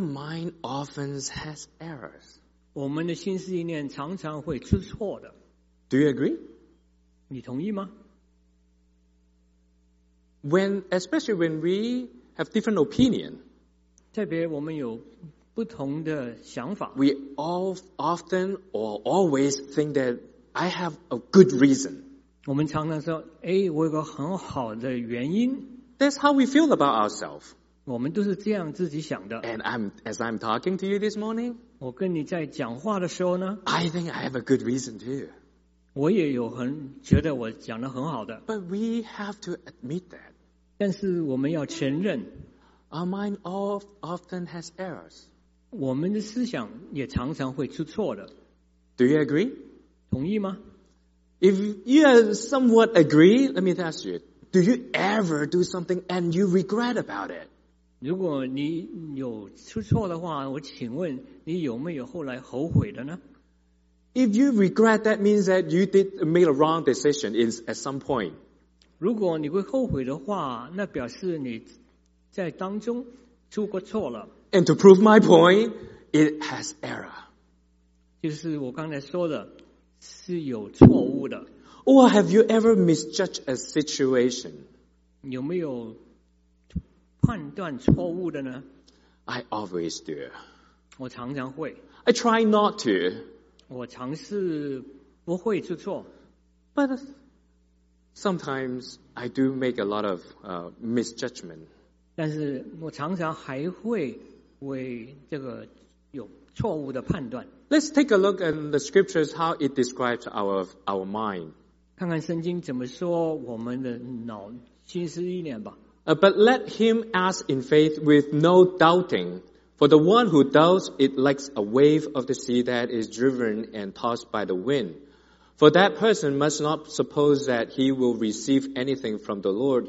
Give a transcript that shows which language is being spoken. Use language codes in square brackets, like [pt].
[en] mind often has errors. [zh] 我们的心思意念常常会出错的。 [en] Do you agree? [zh] 你同意吗? [en] Especially when we have different opinion. [zh] 特别我们有不同的想法。 [en] We all often or always think that I have a good reason. [zh] 我们常常说，哎，我有个很好的原因。 [en] That's how we feel about ourselves. [zh] 我们都是这样自己想的。 [en] And as I'm talking to you this morning, [zh] 我跟你在讲话的时候呢, [en] I think I have a good reason too. [zh] 我也有很觉得我讲得很好的。 [en] But we have to admit that. [zh] 但是我们要承认。 [en] Our mind often has errors. [zh] 我们的思想也常常会出错的。 [en] Do you agree? [zh] 同意吗？ [en] If you somewhat agree, let me ask you, do you ever do something and you regret about it? [zh] 如果你有出错的话，我请问你有没有后来后悔的呢？ [en] If you regret, that means that you made a wrong decision at some point. [zh] 如果你会后悔的话，那表示你在当中出过错了。 [en] And to prove my point, it has error. [zh] 就是我刚才说的，是有错误的。 [en] Or have you ever misjudged a situation? [zh] 有没有判断错误的呢？ [en] I always do. [zh] 我常常会。 [en] I try not to. [zh] 我尝试不会出错。 [en] But sometimes I do make a lot of misjudgment. [zh] 但是我常常还会为这个有错误的判断。 [en] Let's take a look at the scriptures, how it describes our mind. [zh] 看看圣经怎么说我们的脑心思意念吧。 [en] But let him ask in faith with no doubting. For the one who doubts, it likes a wave of the sea that is driven and tossed by the wind. For that person must not suppose that he will receive anything from the Lord.